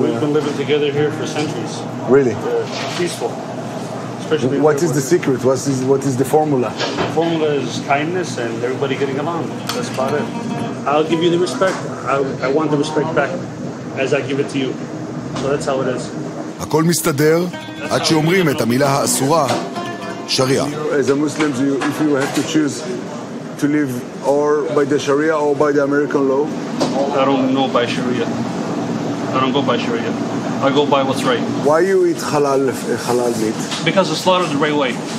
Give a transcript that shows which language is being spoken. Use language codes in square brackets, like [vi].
[en] we've been living together here for centuries. Really? Peaceful. Especially what is the secret? What is the formula? The formula is kindness and everybody getting along. That's about it. I'll give you the respect. I want the respect back as I give it to you. So that's how it is. [he] הכל מסתדר עד שאומרים את המילה האסורה שריעה. [en] As a Muslim, if you have to choose to live or by the Sharia or by the American law? I don't know by Sharia. I don't go by Sharia. I go by what's right. Why you eat halal meat? Because it's slaughtered the right way.